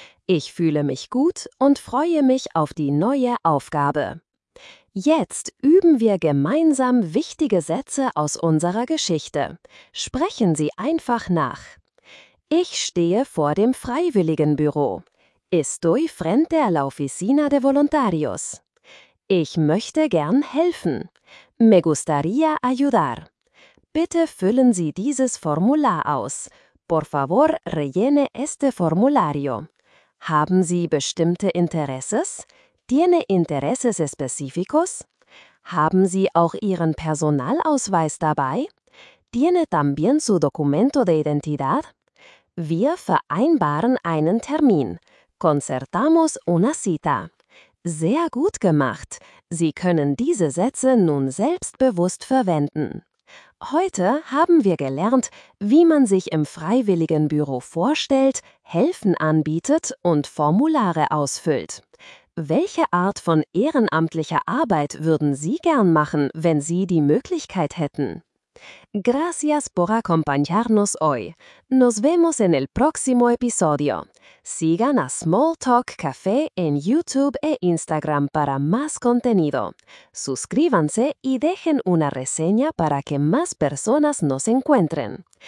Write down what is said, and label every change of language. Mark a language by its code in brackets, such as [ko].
[de] Ich fühle mich gut und freue mich auf die neue Aufgabe. Jetzt üben wir gemeinsam wichtige Sätze aus unserer Geschichte. Sprechen Sie einfach nach. Ich stehe vor dem Freiwilligenbüro. [es] Estoy frente a la oficina de voluntarios. [de] Ich möchte gern helfen. Me gustaría ayudar. Bitte füllen Sie dieses Formular aus. Por favor, rellene este formulario. Haben Sie bestimmte Interesses? [es] ¿Tiene intereses específicos? [de] ¿Haben Sie auch Ihren Personalausweis dabei? [es] ¿Tiene también su documento de identidad? [de] Wir vereinbaren einen Termin. Concertamos una cita. Sehr gut gemacht. Sie können diese Sätze nun selbstbewusst verwenden. Heute haben wir gelernt, wie man sich im Freiwilligenbüro vorstellt, Helfen anbietet und Formulare ausfüllt. Welche Art von ehrenamtlicher Arbeit würden Sie gern machen, wenn Sie die Möglichkeit hätten? [es] Gracias por acompañarnos hoy. Nos vemos en el próximo episodio. Sigan a Small Talk Café en YouTube e Instagram para más contenido. Suscríbanse y dejen una reseña para que más personas nos encuentren.